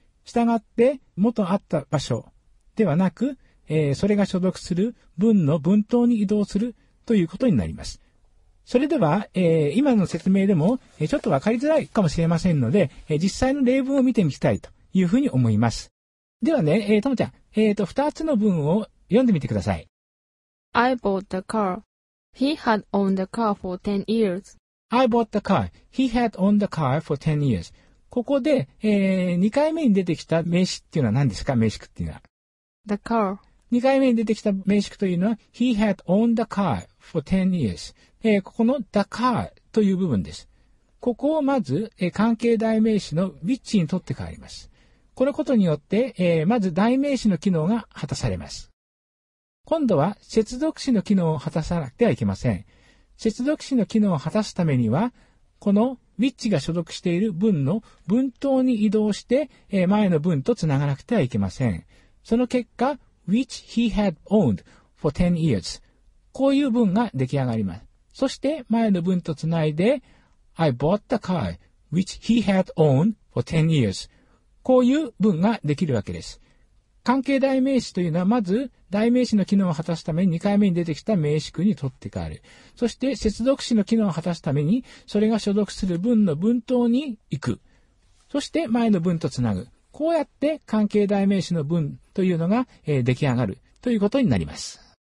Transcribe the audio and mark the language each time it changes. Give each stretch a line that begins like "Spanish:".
Japanese: したがって、元あった場所ではなく、それが所属する文の文頭に移動するということになります。それでは、今の説明でも、ちょっとわかりづらいかもしれませんので、実際の例文を見てみたいというふうに思います。ではね、ともちゃん、二つの文を読んでみてください。
English: I bought the car. He had owned the car for 10 years. I bought the car. He had owned the car for 10 years.
Japanese: ここで、2回目に出てきた名詞っていうのは何ですか？名詞句っていうのは。
English: The car.
Japanese: 2回目に出てきた名詞句というのは、
English: He had owned the car for 10 years.、
Japanese: ここの the car という部分です。ここをまず、関係代名詞の which に取って変わります。このことによって、まず代名詞の機能が果たされます。今度は接続詞の機能を果たさなくてはいけません。接続詞の機能を果たすためには、この which が所属している文の文頭に移動して、前の文とつながなくてはいけません。その結果、
English: which he had owned for 10 years。
Japanese: こういう文が出来上がります。そして、前の文とつないで、
English: I bought the car which he had owned for 10 years。
Japanese: こういう文ができるわけです。関係代名詞というのは、まず代名詞の機能を果たすために2回目に出てきた名詞句に取って変わる。そして接続詞の機能を果たすために、それが所属する文の文頭に行く。そして前の文とつなぐ。こうやって関係代名詞の文というのが、出来上がるということになります。